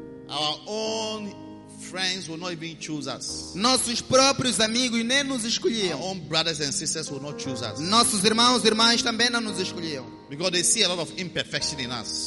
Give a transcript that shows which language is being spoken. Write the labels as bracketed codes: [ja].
[en] Our own friends will not even choose us. [pt] Nossos próprios amigos nem nos escolhiam. [en] Our own brothers and sisters will not choose us. [pt] Nossos irmãos e irmãs também não nos escolhiam. [en] Because they see a lot of imperfection in us.